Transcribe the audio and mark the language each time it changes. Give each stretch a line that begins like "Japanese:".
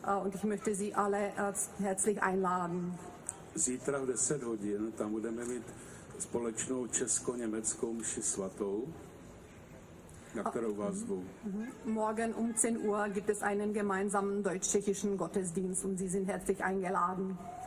German: Und ich möchte Sie alle herzlich einladen.
Czech: Zítra v 10 hodin tam budeme mít společnou česko-německou mši svatou.
German: Morgen 10 Uhr gibt es einen gemeinsamen deutsch-tschechischen Gottesdienst und Sie sind herzlich eingeladen.